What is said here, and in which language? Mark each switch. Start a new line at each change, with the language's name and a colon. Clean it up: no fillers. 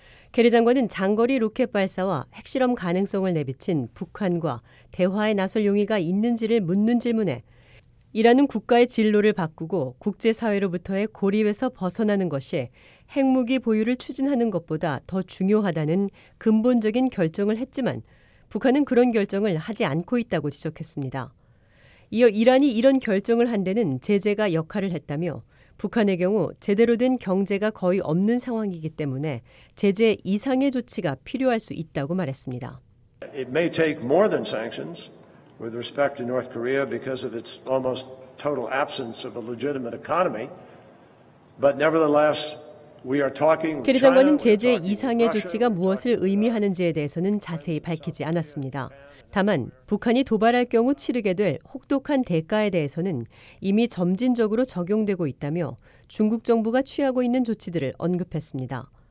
Korean: 케리 장관은 장거리 로켓 발사와 핵실험 가능성을 내비친 북한과 대화에 나설 용의가 있는지를 묻는 질문에 이란은 국가의 진로를 바꾸고 국제사회로부터의 고립에서 벗어나는 것이 핵무기 보유를 추진하는 것보다 더 중요하다는 근본적인 결정을 했지만 북한은 그런 결정을 하지 않고 있다고 지적했습니다. 이어 이란이 이런 결정을 한 데는 제재가 역할을 했다며 북한의 경우 제대로 된 경제가 거의 없는 상황이기 때문에 제재 이상의 조치가 필요할 수 있다고 말했습니다.
English: It may take more than sanctions with respect to North Korea because of its almost total absence of a legitimate economy. But nevertheless, we are talking.
Korean: 케리 장관은 제재 이상의 조치가 무엇을 의미하는지에 대해서는 자세히 밝히지 않았습니다. 다만 북한이 도발할 경우 치르게 될 혹독한 대가에 대해서는 이미 점진적으로 적용되고 있다며 중국 정부가 취하고 있는 조치들을 언급했습니다.